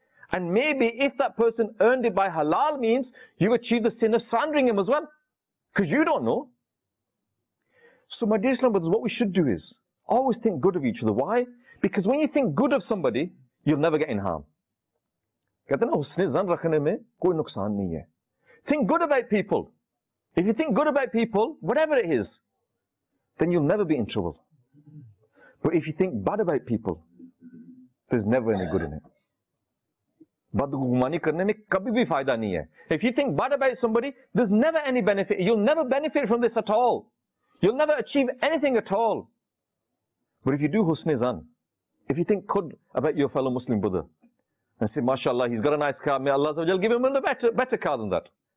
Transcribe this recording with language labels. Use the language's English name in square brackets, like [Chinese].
[English] And maybe if that person earned it by halal means, you've achieved the sin of slandering him as well. Because you don't know. So my dear Islam brothers, what we should do is always think good of each other. Why? Because when you think good of somebody, you'll never get in harm. [Urdu] کہتے نا اسنے ظن رکھنے میں کوئی نقصان نہیں ہے. [English] Think good about people. If you think good about people, whatever it is, then you'll never be in trouble. But if you think bad about people, there's never any good in it. [Urdu] بدگمانی کرنے میں کبھی بھی فائدہ نہیں ہے. [English] If you think bad about somebody, there's never any benefit. You'll never benefit from this at all. You'll never achieve anything at all. But if you do husni zan, if you think good about your fellow Muslim brother and say, mashallah, he's got a nice car, may Allah give him a better car than that.